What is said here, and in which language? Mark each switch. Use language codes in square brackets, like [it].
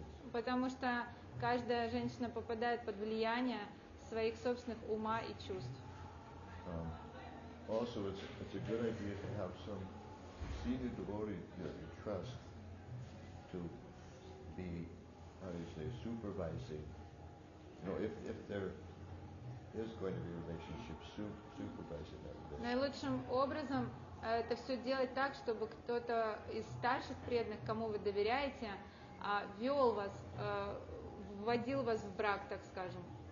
[ru] Потому что каждая женщина попадает под влияние своих собственных ума и чувств. [en] Also, it's a good idea to have some senior devotee that you trust to be, how do you say, supervising. No, if there is going to be a relationship, supervising that relationship. [ru] Наилучшим образом это все делать так, чтобы кто-то из старших преданных, кому вы доверяете, вел вас, вводил вас в брак, так скажем.